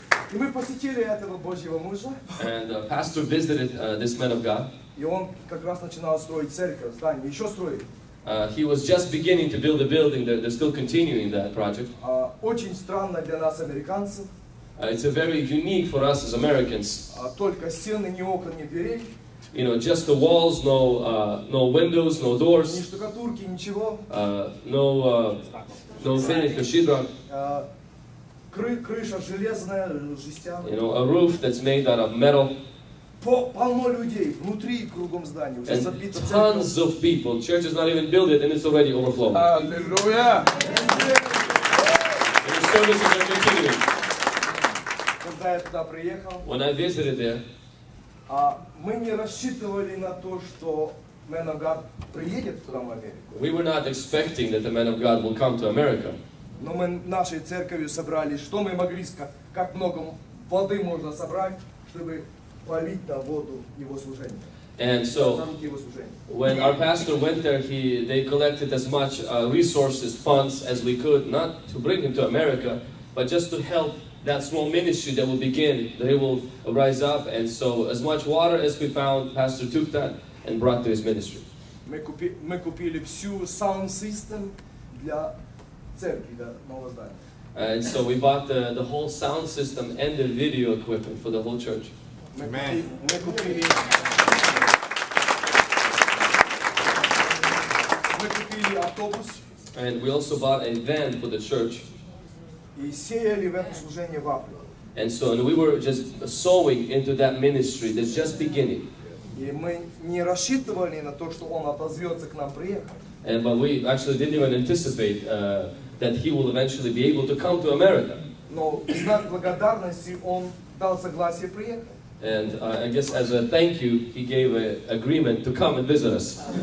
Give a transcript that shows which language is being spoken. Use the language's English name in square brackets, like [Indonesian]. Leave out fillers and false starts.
[Russian] И мы посетили этого Божьего мужа. [English] And the pastor visited this man of God. [Russian] И он как раз начинал строить церковь, здание, еще строит. [English] He was just beginning to build a building. They're still continuing that project. [Russian] Очень странно для нас американцев. [English] It's a very unique for us as Americans. [Russian] Только стены, ни окон, ни дверей. [English] You know, just the walls, no windows, no doors. [Russian] Ни штукатурки, ничего. [English] No finished shidrach. [Russian] Крыша железная, жестяная. [English] You know, a roof that's made out of metal. [Russian] Полно людей внутри кругом здания. [English] And tons of people. Church is not even built yet, and it's already overflowing. Alleluia. And the services are continuing. [Russian] Когда я туда приехал, [English] when I visited there, [Russian] мы не рассчитывали на то, что [English] Man of God [Russian] приедет туда, в Америку. [English] We were not expecting that the Man of God will come to America. [Russian] Но мы нашей церковью собрали, что мы могли, как много воды можно собрать, чтобы полить на воду его служение. [English] And so, when our pastor went there, they collected as much resources, funds as we could, not to bring him to America, but just to help that small ministry that will begin, that it will rise up. And so, as much water as we found, pastor took that and brought to his ministry. [Russian] Мы купили всю sound system для церкви, для нового здания. [English] And so we bought the whole sound system and the video equipment for the whole church. Amen. [Russian] Мы купили автобус. [English] And we also bought a van for the church. [Russian] И сеяли в это служение в апреле. [English] And so, and we were just sowing into that ministry that's just beginning. [Russian] И мы не рассчитывали на то, что он отозвется к нам приехать. [English] And but we actually didn't even anticipate that he will eventually be able to come to America. [Russian] Но в знак благодарности он дал согласие приехать. [English] And I guess as a thank you, he gave an agreement to come and visit us.